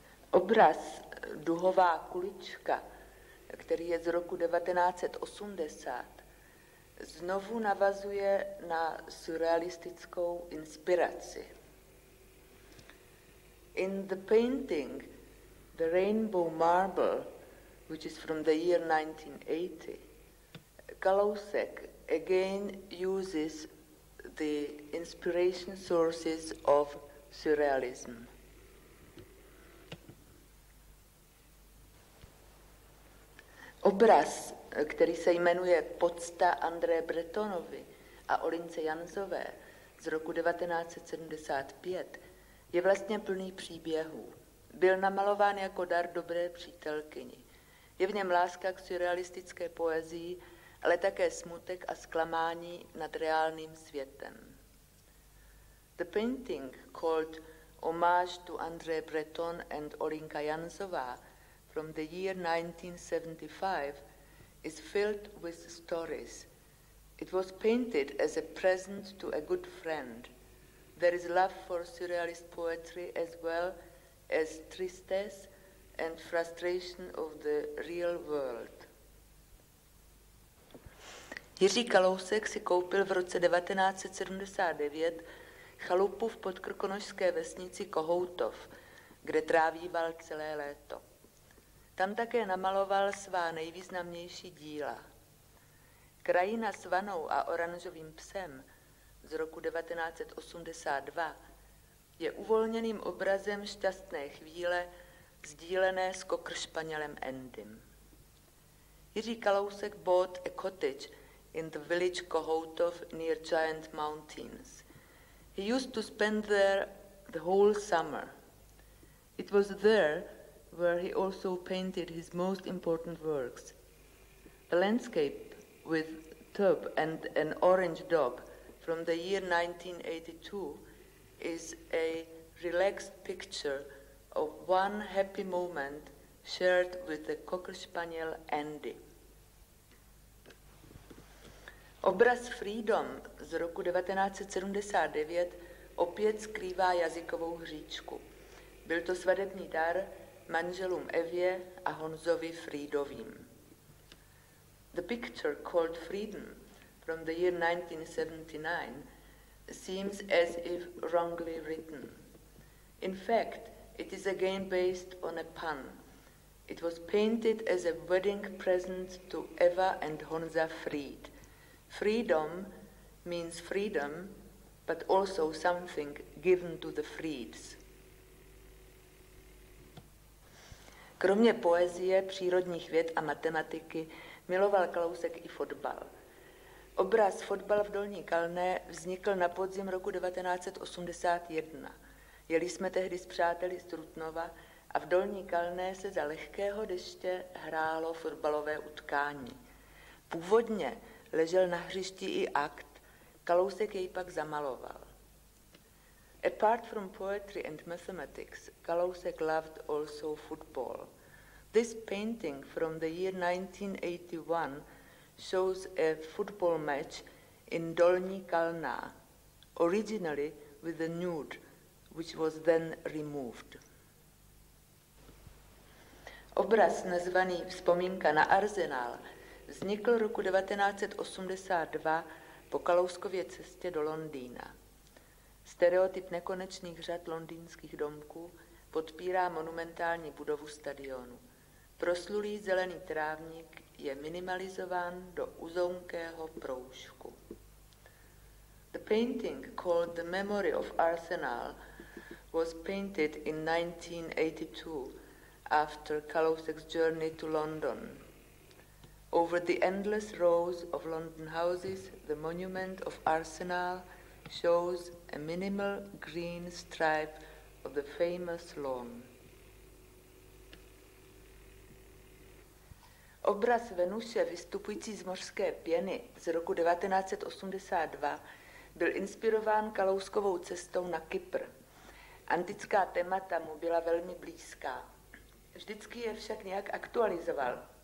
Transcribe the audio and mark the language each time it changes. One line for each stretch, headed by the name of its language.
Czech: Obraz Duhová kulička, který je z roku 1980, znovu navazuje na surrealistickou inspiraci.
English: In the painting The Rainbow Marble, which is from the year 1980, Kalousek again uses the inspiration sources of surrealism.
Czech: Obraz, který se jmenuje Podsta André Bretonovi a Olince Janzové z roku 1975, je vlastně plný příběhů. Byl namalován jako dar dobré přítelkyni. Je v něm láska k surrealistické poezii, ale také smutek a zklamání nad reálným světem.
English: The painting called Homage to André Breton and Olinka Janzová from the year 1975 is filled with stories. It was painted as a present to a good friend. There is love for surrealist poetry as well as tristesse and frustration of the real world.
Czech: Jiří Kalousek si koupil v roce 1979 chalupu v podkrkonošské vesnici Kohoutov, kde trávíval celé léto. Tam také namaloval svá nejvýznamnější díla. Krajina s vanou a oranžovým psem z roku 1982 je uvolněným obrazem šťastné chvíle sdílené s kokršpanělem Endym.
English: Jiří Kalousek bought a cottage in the village Kohoutov near Giant Mountains. He used to spend there the whole summer. It was there where he also painted his most important works. The landscape with tub and an orange dog from the year 1982 is a relaxed picture of one happy moment shared with the cocker spaniel Andy.
Czech: Obraz Freedom z roku 1979 opět skrývá jazykovou hříčku. Byl to svadební dar manželům Evě a Honzovi Friedovým.
English: The picture called Freedom from the year 1979 seems as if wrongly written. In fact, it is again based on a pun. It was painted as a wedding present to Eva and Honza Fried. Freedom means freedom, but also something given to the Frieds.
Czech: Kromě poezie, přírodních věd a matematiky miloval Kalousek i fotbal. Obraz Fotbal v Dolní Kalné vznikl na podzim roku 1981. Jeli jsme tehdy s přáteli z Trutnova a v Dolní Kalné se za lehkého deště hrálo fotbalové utkání. Původně ležel na hřišti i akt, Kalousek jej pak zamaloval.
English: Apart from poetry and mathematics, Kalousek loved also football. This painting from the year 1981 shows a football match in Dolní Kalná, originally with a nude, which was then removed.
Czech: Obraz nazvaný Vzpomínka na Arsenal vznikl roku 1982 po Kalouskově cestě do Londýna. Stereotyp nekonečných řad londýnských domků podpírá monumentální budovu stadionu. Proslulý zelený trávník je minimalizován do uzonkého proužku.
English: The painting called The Memory of Arsenal was painted in 1982 after Kalousek's journey to London. Over the endless rows of London houses, the monument of Arsenal shows a minimal green stripe of the famous lawn.
Czech: Obraz Venuše vystupující z mořské pěny z roku 1982 byl inspirován Kalouskovou cestou na Kypr. Antická témata mu byla velmi blízká. Vždycky je však nějak aktualizoval.